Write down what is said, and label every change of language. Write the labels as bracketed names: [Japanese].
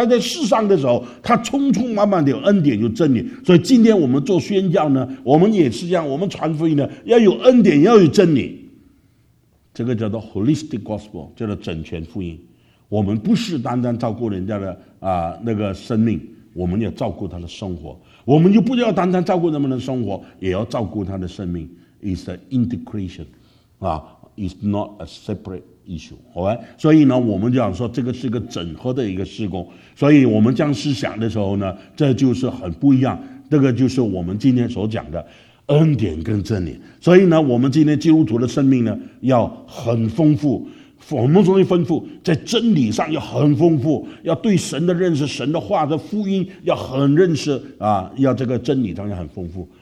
[Chinese] 他在世上的时候，他匆匆忙忙的有恩典有真理，所以今天我们做宣教呢，我们也是这样，我们传福音呢，要有恩典，要有真理。这个叫做 [English] holistic gospel， [Chinese] 叫做整全福音。我们不是单单照顾人家的那个生命，我们要照顾他的生活。我们就不要单单照顾人们的生活，也要照顾他的生命。 [English] It's an integration, it's not a separate issue. [Chinese] 好吧，所以呢，我们讲说这个是个整合的一个事工。所以我们这样思想的时候呢，这就是很不一样。这个就是我们今天所讲的恩典跟真理。所以呢，我们今天基督徒的生命呢，要很丰富。我们所谓丰富，在真理上要很丰富，要对神的认识、神的话的福音要很认识啊，要这个真理当然很丰富。